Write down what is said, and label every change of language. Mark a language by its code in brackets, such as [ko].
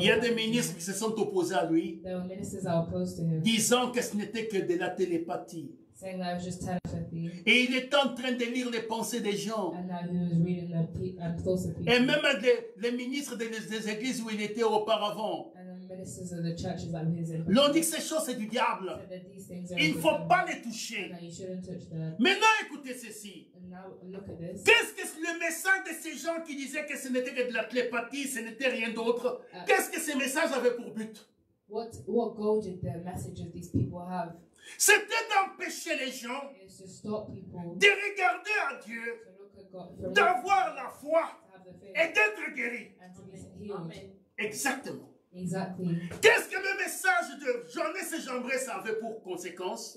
[fr] Il y a des ministres qui se sont opposés à lui, [en] there were ministers that opposed to him, [fr] disant que ce n'était que de la télépathie. [en] saying that I was just telepathy. [fr] Et il est en train de lire les pensées des gens. [en] And that he was reading the thoughts of people. [fr] Et même les ministres des églises où il était auparavant. [en] And the ministers of the churches that he was in. [fr] L'ont dit que ces choses c'est du diable. [en] So that these things are [fr] il ne faut pas les toucher. [en] And that you shouldn't touch the... [fr] Maintenant écoutez ceci. [en] And now look at this. [fr] Qu'est-ce que le message de ces gens qui disaient que ce n'était que de la télépathie, ce n'était rien d'autre. Qu'est-ce que ces messages avaient pour but? [en] What goal did the message of these people have? [fr] C'était d'empêcher les gens de regarder à Dieu, d'avoir la foi et d'être guéri. Exactement. [en] Exactly. [fr] Qu'est-ce que le message de Johannes et Jambres avait pour conséquence?